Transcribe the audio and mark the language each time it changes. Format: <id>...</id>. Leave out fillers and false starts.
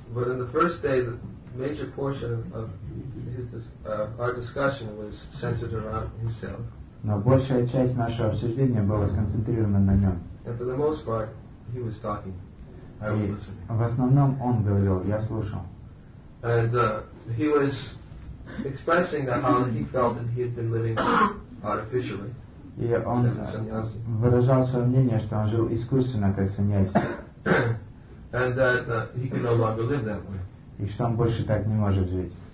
<en>But on the first day, the major portion of his, our discussion was centered around himself.</en> <ru>Но большая часть нашего обсуждения была сконцентрирована на нем.</ru> <en>And for the most part, he was talking. I was listening.</en> <ru>В основном он говорил, я слушал.</ru> <en>And he was expressing how he felt that he had been living artificially.</en> <ru>И он выражал свое мнение, что он жил искусственно, как саньяси.</ru> <en>And that he can no longer live that way.</en> <ru>И что он больше так не может жить.</ru>